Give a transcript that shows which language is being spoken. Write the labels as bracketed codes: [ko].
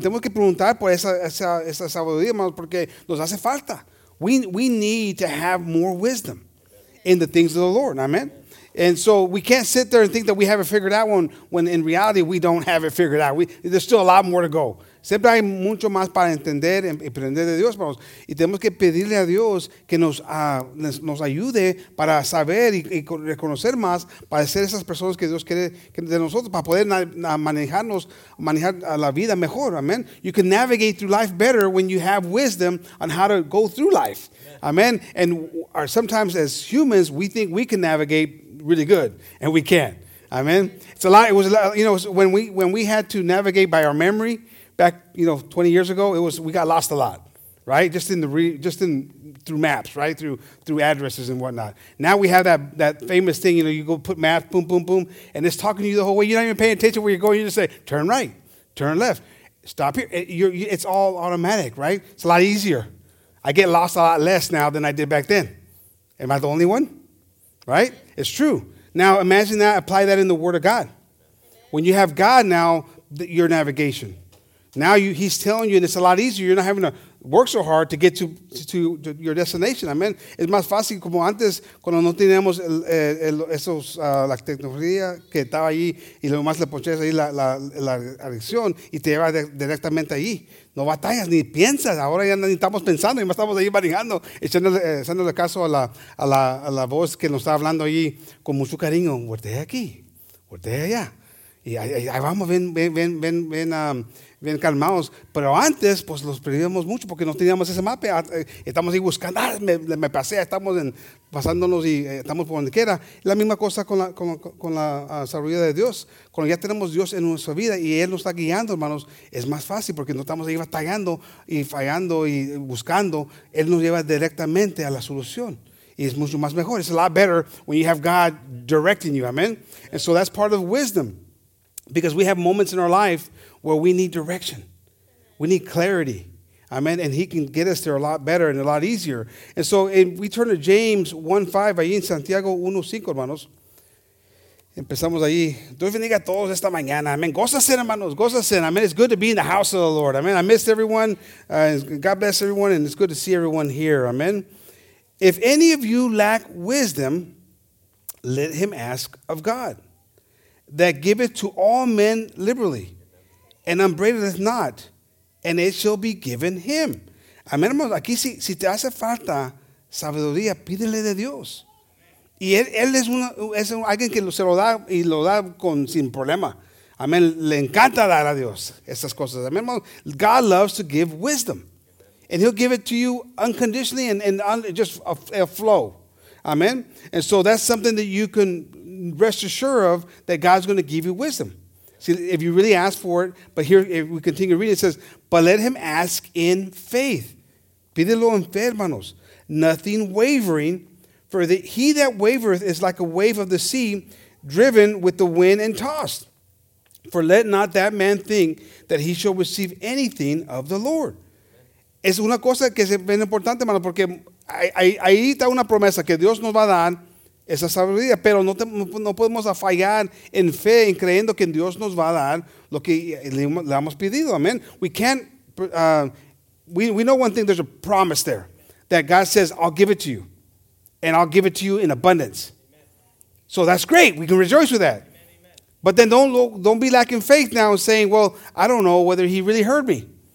[es] Tenemos que preguntar por esa sabiduría, hermanos, porque nos hace falta. [en] We need to have more wisdom in the things of the Lord, amen. And so we can't sit there and think that we have it figured out when in reality we don't have it figured out. There's still a lot more to go. [es] Siempre hay mucho más para entender y aprender de Dios, hermanos. Y tenemos que pedirle a Dios que nos ayude para saber y reconocer más, para ser esas personas que Dios quiere de nosotros, para poder manejar la vida mejor, amen. [en] You can navigate through life better when you have wisdom on how to go through life, amen. And sometimes as humans, we think we can navigate really good, and we can. Amen. It's a lot. It was a lot, you know, when we had to navigate by our memory back, you know, 20 years ago, we got lost a lot, right? Just through maps, right? Through addresses and whatnot. Now we have that famous thing, you know, you go put maps, boom, boom, boom, and it's talking to you the whole way. You're not even paying attention where you're going. You just say, turn right, turn left, stop here. It's all automatic, right? It's a lot easier. I get lost a lot less now than I did back then. Am I the only one? Right? It's true. Now imagine that, apply that in the Word of God. When you have God now, your navigation. Now he's telling you, and it's a lot easier. You're not having to work so hard to get to your destination. Amen. [es] Es más fácil como antes cuando no teníamos esos la tecnología que estaba allí y lo más le ponías ahí la adicción y te llevas directamente allí. No batallas ni piensas. Ahora ya ni estamos pensando y más estamos ahí manejando, echándole caso a la voz que nos está hablando allí con mucho cariño. Voltea aquí, voltea allá. Y ahí vamos, ven calmados. Pero antes, pues los perdíamos mucho porque no teníamos ese mapa. Estamos ahí buscando, me pasea, estamos pasándonos y estamos por donde quiera. La misma cosa con la sabiduría de Dios. Cuando ya tenemos Dios en nuestra vida y Él nos está guiando, hermanos, es más fácil porque no estamos ahí batallando y fallando y buscando. Él nos lleva directamente a la solución. Y es mucho más mejor. [en] It's a lot better when you have God directing you, amen? And so that's part of wisdom. Because we have moments in our life where we need direction. We need clarity. Amen. And he can get us there a lot better and a lot easier. And so we turn to James 1:5, [es] ahí en Santiago 1:5, hermanos. Empezamos ahí. Dios bendiga a todos esta mañana. Amen. Gózase, hermanos. Gózase. Amen. [en] It's good to be in the house of the Lord. Amen. I missed everyone. God bless everyone. And it's good to see everyone here. Amen. If any of you lack wisdom, let him ask of God, that giveth to all men liberally, and upbraideth not, and it shall be given him. [es] Amén, hermanos. Aquí, si te hace falta sabiduría, pídele de Dios. Y él es alguien que se lo da y lo da sin problema. Amén. Le encanta dar a Dios estas cosas. Amén, hermanos. [en] God loves to give wisdom. And he'll give it to you unconditionally and just a flow. Amen. And so that's something that you can rest assured of, that God's going to give you wisdom. See, if you really ask for it, but here, if we continue reading, it says, but let him ask in faith. [es] Pídelo en fe, hermanos. [en] Nothing wavering, for he that wavereth is like a wave of the sea, driven with the wind and tossed. For let not that man think that he shall receive anything of the Lord. [es] Es una cosa que es bien importante, hermano, porque ahí está una promesa que Dios nos va a dar esa sabiduría, pero no podemos fallar en fe, en creyendo que Dios nos va a dar lo que le hemos pedido, amen. [en] We can't, we know one thing, there's a promise there, that God says, I'll give it to you, and I'll give it to you in abundance. So that's great, we can rejoice with that. But then don't be lacking faith now and saying, well, I don't know whether he really heard me.